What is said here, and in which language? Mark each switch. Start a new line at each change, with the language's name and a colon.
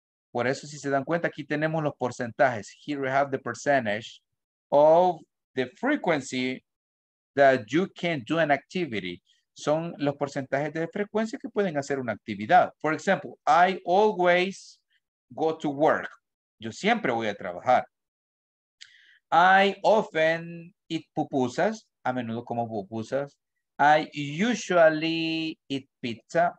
Spanish: Por eso, si se dan cuenta, aquí tenemos los porcentajes.
English: Here we have the percentage of the frequency that you can do an activity.
Spanish: Son los porcentajes de frecuencia que pueden hacer una actividad.
English: For example, I always go to work.
Spanish: Yo siempre voy a trabajar.
English: I often eat pupusas.
Spanish: A menudo como pupusas.
English: I usually eat pizza.